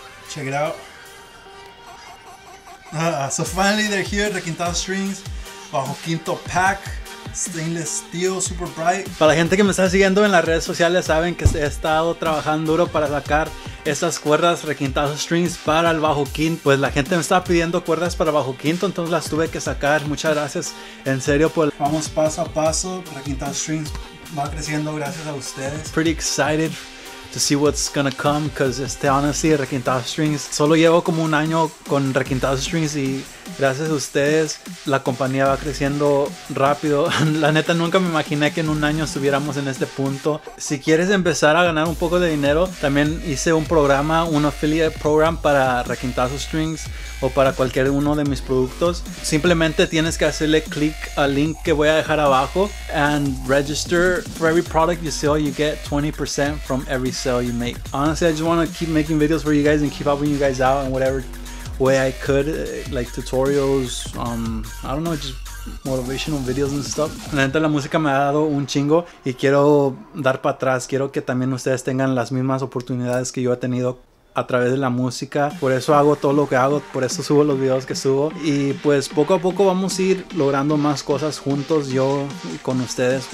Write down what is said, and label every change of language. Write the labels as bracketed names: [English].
[English] Check it out. So finally they're here, Requintado Strings, bajo quinto pack, stainless steel, super bright. [Spanish] Para la gente que me está siguiendo en las redes sociales, saben que he estado trabajando duro para sacar estas cuerdas Requintado Strings para el bajo quinto. Pues la gente me estaba pidiendo cuerdas para bajo quinto, entonces las tuve que sacar. Muchas gracias, en serio. Vamos paso a paso, Requintado Strings va creciendo gracias a ustedes. [English] Pretty excited to see what's gonna come, because honestly, [Spanish] Requintado Strings, solo llevo como un año con Requintado Strings y gracias a ustedes la compañía va creciendo rápido. La neta, nunca me imaginé que en un año estuviéramos en este punto. Si quieres empezar a ganar un poco de dinero, también hice un programa, un affiliate program para Requintado Strings o para cualquier uno de mis productos. Simplemente tienes que hacerle click al link que voy a dejar abajo [English] and register. For every product you sell, you get 20% from every sale you make. Honestly, I just want to keep making videos for you guys and keep helping you guys out and whatever way I could, like tutorials, I don't know, just motivational videos and stuff. [Spanish] La neta, la música me ha dado un chingo y quiero dar para atrás. Quiero que también ustedes tengan las mismas oportunidades que yo he tenido a través de la música. Por eso hago todo lo que hago, por eso subo los videos que subo. Y pues poco a poco vamos a ir logrando más cosas juntos, yo y con ustedes.